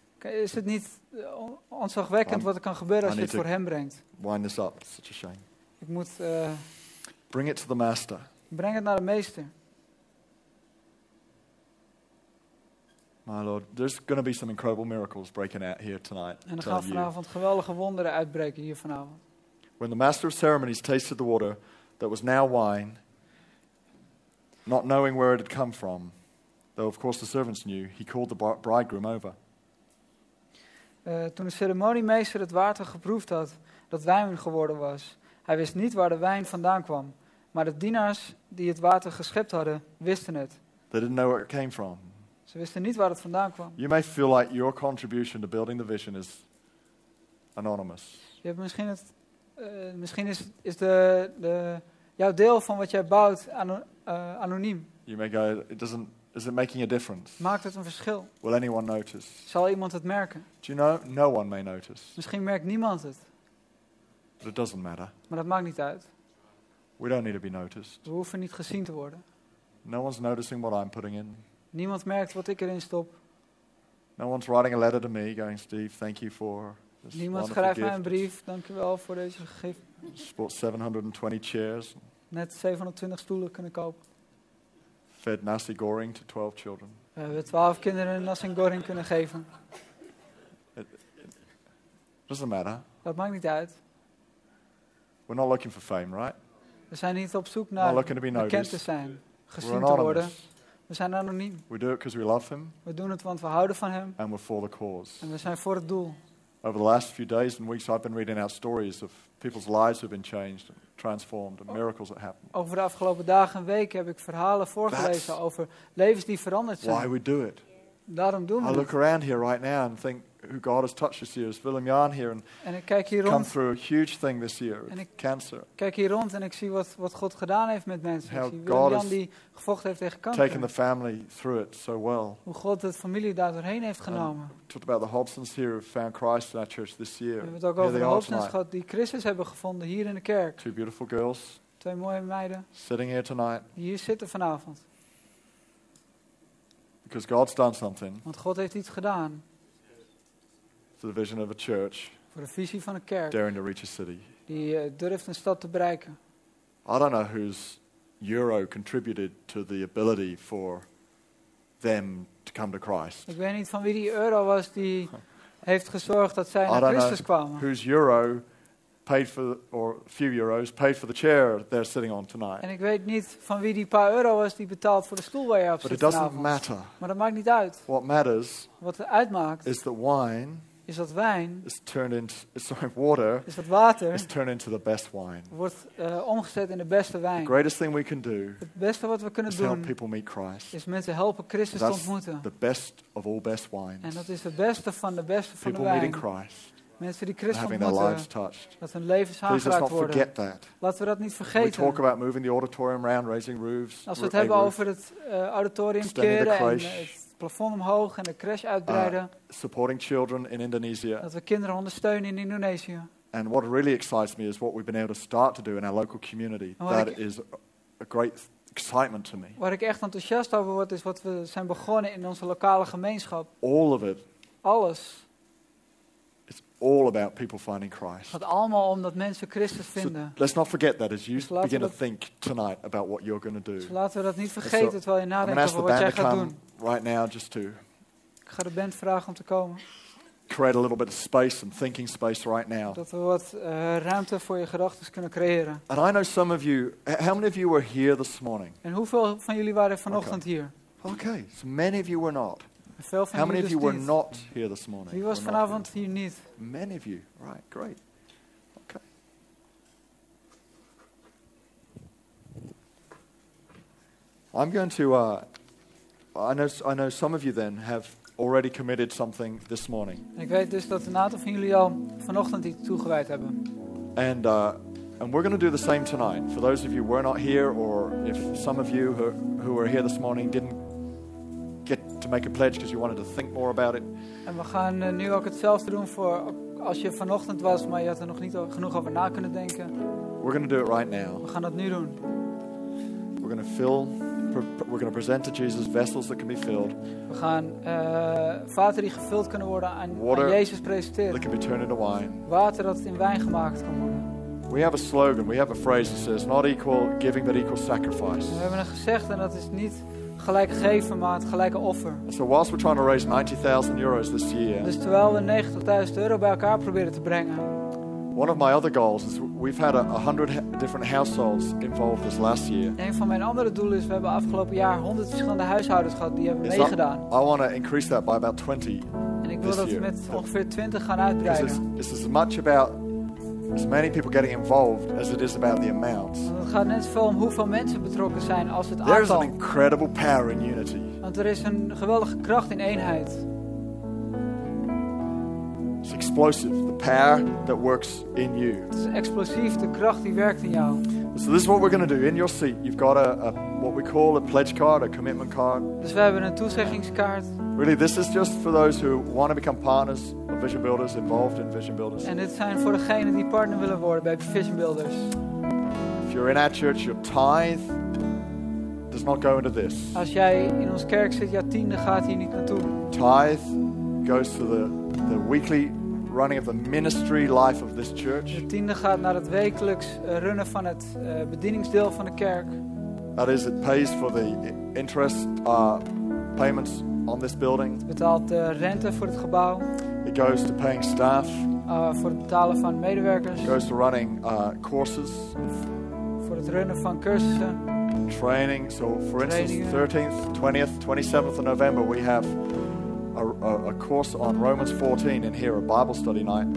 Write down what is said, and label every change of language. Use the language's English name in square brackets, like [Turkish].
[Dutch] Is het niet ontzagwekkend wat er kan gebeuren als je het voor Hem brengt? [English] Wind this up. It's such a shame. [Dutch] Ik moet. [English] Bring it to the master. [Dutch] Breng het naar de meester. [English] My Lord, there's going to be some incredible miracles breaking out here tonight. [Dutch] En er gaan vanavond geweldige wonderen uitbreken hier vanavond. [English] When the master of ceremonies tasted the water that was now wine, not knowing where it had come from, though of course the servants knew, he called the bridegroom over. [Dutch] Toen de ceremoniemeester het water geproefd had dat wijn geworden was, hij wist niet waar de wijn vandaan kwam, maar de dienaars die het water geschept hadden wisten het. [English] They didn't know where it came from. [Dutch] Ze wisten niet waar het vandaan kwam. [English] You may feel like your contribution to building the vision is anonymous. [Dutch] Je hebt misschien het misschien is de jouw deel van wat jij bouwt anoniem. [English] You may go, is it making a difference? [Dutch] Maakt het een verschil? [English] Will anyone notice? [Dutch] Zal iemand het merken? [English] Do you know? No one may notice. [Dutch] Misschien merkt niemand het. [English] But it doesn't matter. [Dutch] Maar dat maakt niet uit. [English] We don't need to be noticed. [Dutch] We hoeven niet gezien te worden. [English] No one's noticing what I'm putting in. [Dutch] Niemand merkt wat ik erin stop. [English] No one's writing a letter to me going, Steve, thank you for. [Dutch] Niemand schrijft mij een brief. Dankjewel voor deze gift. [English] Bought 720 chairs. [Dutch] Net 720 stoelen kunnen kopen. [English] Fed nasi goreng to 12 children. [Dutch] We hebben 12 kinderen een nasi goreng kunnen geven. [English] It doesn't matter. [Dutch] Dat maakt niet uit. [English] We're not looking for fame, right? [Dutch] We zijn niet op zoek naar bekend te zijn, gezien te worden. We zijn anoniem. [English] We do it because we love Him. [Dutch] We doen het want we houden van Hem. [English] And we're for the cause. [Dutch] En we zijn voor het doel. [English] Over the last few days and weeks, I've been reading out stories of people's lives have been changed, and transformed, and miracles that happen. [Dutch] Over de afgelopen dagen en weken heb ik verhalen voorgelezen over levens die veranderd zijn. [English] Why we do it? [Dutch] Daarom doen we. [English] I look around here right now and think who God has touched this year. Is Willem Jan here? [Dutch] En ik kijk hier rond. [English] Come through a huge thing this year. Cancer. [Dutch] Kijk hier rond en ik zie wat God gedaan heeft met mensen. Hoe God Willem Jan die gevocht heeft tegen kanker. [English] Taken the family through it so well. [Dutch] Hoe God het familie daar doorheen heeft genomen. [English] Talked about the Hobsons here who found Christ in our church this year. [Dutch] We hebben het ook over de Hobsons gehad die Christus hebben gevonden hier in de kerk. [English] Two beautiful girls. [Dutch] Twee mooie meiden. [English] Sitting here tonight. [Dutch] Die hier zitten vanavond. [English] Because God's done something. [Dutch] Want God heeft iets gedaan. [English] For the vision of a church. [Dutch] Voor de visie van een kerk. [English] Daring to reach a city. [Dutch] Die durft een stad te bereiken. [English] I don't know whose euro contributed to the ability for them to come to Christ. [Dutch] Ik weet niet van wie die euro was die heeft gezorgd dat zij naar Christus kwamen. [English] Whose euro paid for or few euros paid for the chair they're sitting on tonight. [Dutch] En ik weet niet van wie die paar euro was die betaald voor de stoel waar je op zit. [English] But it doesn't matter. [Dutch] Maar dat maakt niet uit. [English] What matters. [Dutch] Wat het uitmaakt. [English] Is the wine. [Dutch] Is dat wijn? [English] Is turned into sorry water. [Dutch] Is dat water? [English] Is turned into the best wine. [Dutch] Wordt omgezet in de beste wijn. [English] The greatest thing we can do. [Dutch] Het beste wat we kunnen [English] is [Dutch] doen. [English] Help people meet Christ. [Dutch] Is mensen helpen Christus [English] that's [Dutch] te ontmoeten. [English] The best of all best wines. [Dutch] En dat is het beste van de beste [English] people [Dutch] van de wijn. [English] Meeting Christ. [Dutch] Mensen die Christus ontmoeten, [English] lives touched. [Dutch] Dat hun levens aangeraakt worden. [English] That. [Dutch] Laten we dat niet vergeten. [English] We talk about moving the auditorium around, raising roofs, [Dutch] als we het hebben over het auditorium keren en het plafond omhoog en de crash uitbreiden. [English] Supporting children in Indonesia. [Dutch] Dat we kinderen ondersteunen in Indonesië. [English] And what really excites me is what we've been able to start to do in our local community. That is a great excitement to me. [Dutch] Waar ik echt enthousiast over word is wat we zijn begonnen in onze lokale gemeenschap. [English] All of it. [Dutch] Alles. [English] It's all about people finding Christ. [Dutch] Het gaat allemaal om dat mensen Christus vinden. [English] So, let's not forget that as you begin to think tonight about what you're going to do. [Dutch] Dus laten we dat niet vergeten terwijl je nadenkt over wat [English] the band [Dutch] jij gaat doen. [English] Right now, just to. [Dutch] Ik ga de band vragen om te komen. [English] Create a little bit of space and thinking space right now. [Dutch] Dat we wat ruimte voor je gedachten kunnen creëren. [English] And I know some of you. How many of you were here this morning? [Dutch] En hoeveel van jullie waren vanochtend hier? [English] Okay, so many of you were not. [Dutch] Veel van [English] how many of you [Dutch] dus [English] were [Dutch] niet? [English] Not here this morning? [Dutch] Wie was vanavond hier niet? [English] Many of you. Right, great. Okay. I'm going to. I know some of you then have. Already committed something this morning. [Dutch] Ik weet dus dat een aantal van jullie al vanochtend iets toegewijd hebben. [English] And we're going to do the same tonight. For those of you who were not here, or if some of you who were here this morning didn't get to make a pledge because you wanted to think more about it. [Dutch] En we gaan nu ook hetzelfde doen voor als je vanochtend was, maar je had er nog niet genoeg over na kunnen denken. [English] We're going to do it right now. [Dutch] We gaan dat nu doen. [English] We're going to fill. We're going to present to Jesus vessels that can be filled. [Dutch] We gaan vaten die gevuld kunnen worden aan Jezus presenteren. [English] That can be turned into wine. [Dutch] Water dat in wijn gemaakt kan worden. [English] We have a slogan. We have a phrase that says, "Not equal giving, but equal sacrifice." [Dutch] We hebben een gezegd en dat is niet gelijk geven, maar het gelijke offer. [English] So whilst we're trying to raise 90,000 euros this year, [Dutch] dus terwijl we 90.000 euro bij elkaar proberen te brengen. [English] One of my other goals is we've had 100 different households involved this last year. [Dutch] Een van mijn andere doelen is we hebben afgelopen jaar 100 verschillende huishoudens gehad die hebben meegedaan. [English] I want to increase that by about 20. [Dutch] En ik wil dat [English] year. [Dutch] Met ongeveer 20 gaan uitbreiden. [English] This is as much about as many people getting involved as it is about the amount. [Dutch] Het gaat net zo om hoeveel mensen betrokken zijn als het aantal. [English] There is an incredible power in unity. [Dutch] Want er is een geweldige kracht in eenheid. [English] It's explosive, the power that works in you. [Dutch] Het is explosief, de kracht die werkt in jou. [English] So this is what we're going to do. In your seat, you've got a what we call a pledge card, a commitment card. [Dutch] Dus we hebben een toezeggingskaart. [English] Really, this is just for those who want to become partners of Vision Builders, involved in Vision Builders. [Dutch] En dit zijn voor degenen die partner willen worden bij Vision Builders. [English] If you're in our church, your tithe does not go into this. [Dutch] Als jij in ons kerk zit, jouw tiende gaat hier niet naartoe. [English] Tithe goes to the weekly running of the ministry life of this church. [Dutch] De tiende gaat naar het wekelijks runnen van het bedieningsdeel van de kerk. [English] That is, it pays for the interest payments on this building. [Dutch] Het betaalt de rente voor het gebouw. [English] It goes to paying staff. [Dutch] Voor het betalen van medewerkers. [English] It goes to running courses. [Dutch] Voor het runnen van cursussen. [English] Training. So for instance, 13th, 20th, 27th of November, we have a course on Romans 14 in here, a Bible study night.